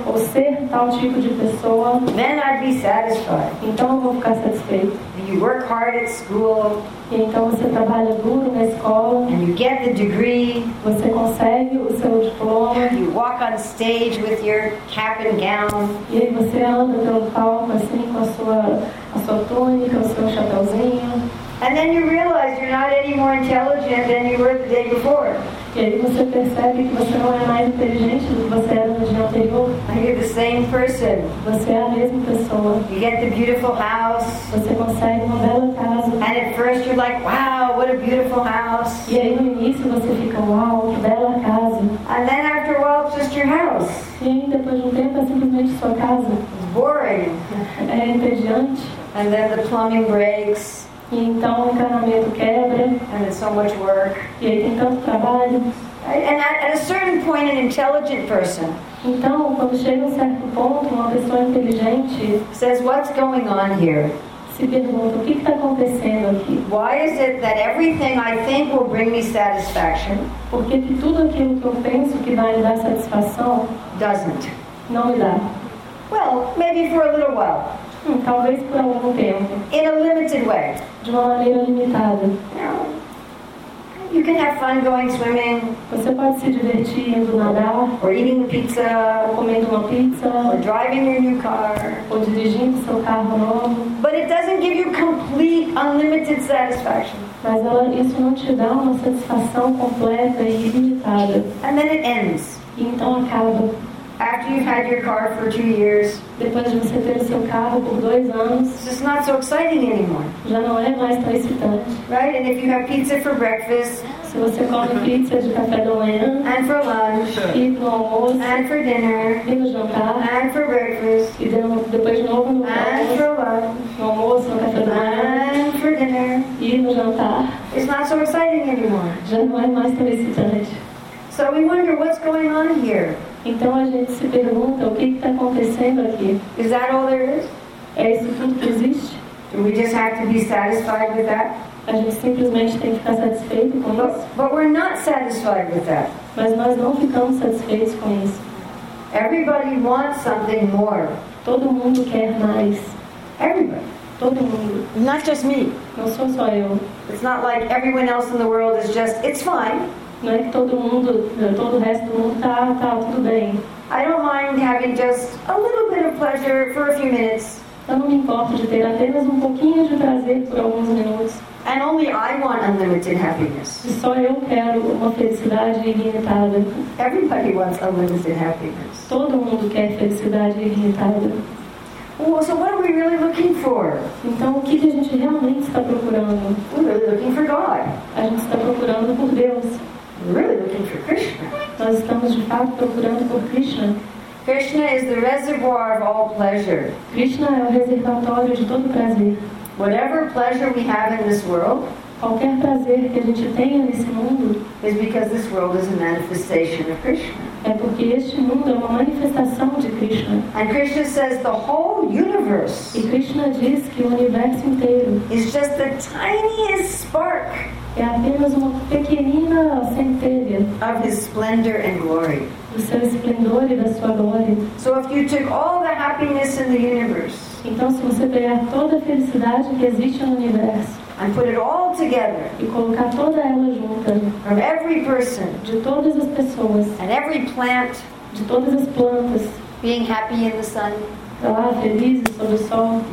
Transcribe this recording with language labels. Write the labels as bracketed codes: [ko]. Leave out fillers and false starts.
[pt] Ou ser tal tipo de pessoa. [en] Then I'd be satisfied. [pt] Então eu vou ficar satisfeito. [en] And you work hard at school. [pt] E então você trabalha duro na escola. [en] And you get the degree. [pt] Você consegue o seu diploma. [en] You walk on stage with your cap and gown. [pt] E aí você anda pelo palco assim com a sua túnica, o seu chapéuzinho. [en] And then you realize you're not any more intelligent than you were the day before. [pt] E aí você percebe que você não é mais inteligente do que você era no dia anterior. [en] You're the same person. [pt] Você é a mesma pessoa. [en] You get the beautiful house. [pt] Você consegue uma bela casa. [en] And at first you're like, wow, what a beautiful house. [pt] E aí no início você fica, wow, que bela casa. [en] And then after a while it's just your house. [pt] E aí depois de tempo é simplesmente sua casa. [en] It's boring. [pt] É entediante. [en] And then the plumbing breaks. [pt] E então o encanamento quebra. [en] And it's so much work. [pt] E aí tem tanto trabalho. [en] And at a certain point, an intelligent person. [pt] Então, quando chega um certo ponto, uma pessoa inteligente [en] says, what's going on here? [pt] Se pergunta, o que está acontecendo aqui? [en] Why is it that everything I think will bring me satisfaction? [pt] Porque que tudo aquilo que eu penso que vai me dar satisfação [en] doesn't. [pt] Não me dá. [en] Well, maybe for a little while. [pt] Talvez por algum tempo. [en] In a limited way. [pt] De uma maneira limitada. [en] You can have fun going swimming. [pt] Você pode se divertir indo nadar. [en] Or eating pizza. [pt] Ou comendo uma pizza. [en] Or driving your new car. [pt] Ou dirigindo seu carro novo. [en] But it doesn't give you complete, unlimited satisfaction. [pt] Mas isso não te dá uma satisfação completa e ilimitada. [en] And then it ends. [pt] E então acaba. [en] After you've had your car for 2 years, [pt] depois de você ter seu carro por 2 anos, [en] it's just not so exciting anymore. [pt] Já não é mais tão excitante, [en] right? And if you have pizza for breakfast, [pt] se você come pizza de café da manhã, [en] and for lunch, [pt] e no almoço, [en] and for dinner, [pt] e no jantar, [en] and for breakfast, [pt] e depois de novo no almoço, [en] and for lunch, [pt] no almoço, no café da manhã, [en] and for dinner, [pt] e no jantar, [en] it's not so exciting anymore. [pt] Já não é mais tão excitante. [en] So we wonder what's going on here. [pt] Então a gente se pergunta, o que está acontecendo aqui? [en] Is that all there is? [pt] É isso tudo que existe? [en] Do we just have to be satisfied with that? [pt] A gente simplesmente tem que ficar satisfeito com isso? [en] But we're not satisfied with that. [pt] Mas nós não ficamos satisfeitos com isso. [en] Everybody wants something more. [pt] Todo mundo quer mais. [en] Everybody. [pt] Todo mundo. [en] Not just me. [pt] Não sou só eu. [en] It's not like everyone else in the world is just, it's fine. [pt] Não é que todo o resto do mundo tá tudo bem. [en] I don't mind having just a little bit of pleasure for a few minutes. [pt] Eu não me importo de ter apenas um pouquinho de prazer por alguns minutos. [en] And only I want unlimited happiness. [pt] E só eu quero uma felicidade ilimitada. [en] Everybody wants unlimited happiness. [pt] Todo mundo quer felicidade ilimitada. [en] Well, so what are we really looking for? [pt] Então, o que a gente realmente está procurando? [en] We're really looking for God. [pt] A gente está procurando por Deus. [en] Really looking for Krishna. [pt] Nós estamos de fato procurando por Krishna. [en] Krishna is the reservoir of all pleasure. [pt] Krishna é o reservatório de todo prazer. [en] Whatever pleasure we have in this world, [pt] qualquer prazer que a gente tenha nesse mundo, [en] is because this world is a manifestation of Krishna. [pt] É porque este mundo é uma manifestação de Krishna. [en] And Krishna says the whole universe. [pt] E Krishna diz que o universo inteiro [en] is just the tiniest spark. [pt] É apenas uma pequenina centelha. [en] Of his splendor and glory. [pt] Do seu esplendor e da sua glória. [en] So if you took all the happiness in the universe. [pt] Então se você pegar toda a felicidade que existe no universo. [en] And put it all together. [pt] E colocar toda ela junta. [en] From every person. [pt] De todas as pessoas. [en] And every plant. [pt] De todas as plantas. [en] Being happy in the sun. [pt] Estar feliz sob o sol.